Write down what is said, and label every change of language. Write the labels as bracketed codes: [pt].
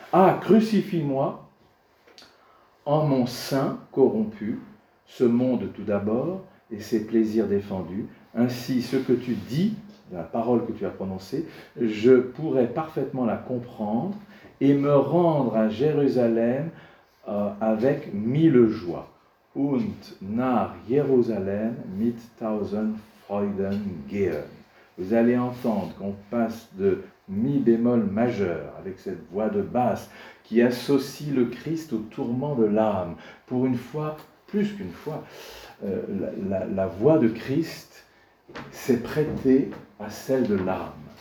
[fr] Ah, crucifie-moi en mon sein corrompu, ce monde tout d'abord, et ses plaisirs défendus, ainsi ce que tu dis, la parole que tu as prononcée, je pourrais parfaitement la comprendre et me rendre à Jérusalem avec 1000 joies. [de] Und nach Jérusalem mit 1000 Freuden gehen. [fr] Vous allez entendre qu'on passe de mi bémol majeur avec cette voix de basse qui associe le Christ au tourment de l'âme. Pour une fois, plus qu'une fois, la voix de Christ s'est prêtée à celle de l'âme.